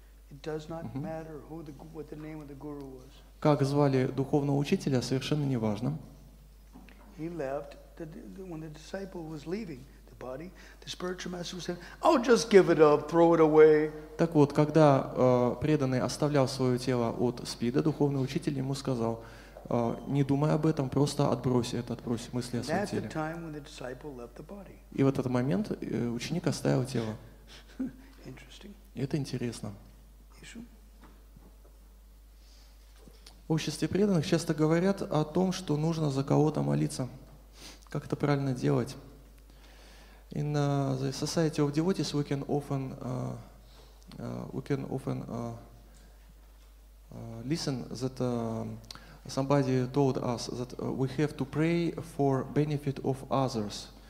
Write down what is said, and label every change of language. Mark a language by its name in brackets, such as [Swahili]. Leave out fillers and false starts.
[English] It does not matter who the what the name of the guru was. [Russian] Как звали духовного учителя, совершенно не важно. [English] He left when the disciple was leaving. Body, the spiritual master said, "I'll just give it up, throw it away." [Russian] Так вот, когда преданный оставлял свое тело от СПИДа, духовный учитель ему сказал: "Не думай об этом, просто отбрось это, отбрось мысли о своем теле." [English] That's the time when the disciple left the body. [Russian] И в этот момент ученик оставил тело. [English] Interesting. [Russian] Это интересно. Ишу. В обществе преданных часто говорят о том, что нужно за кого-то молиться. Как это правильно делать? [English] In the society of devotees, we can often listen that somebody told us that we have to pray for benefit of others.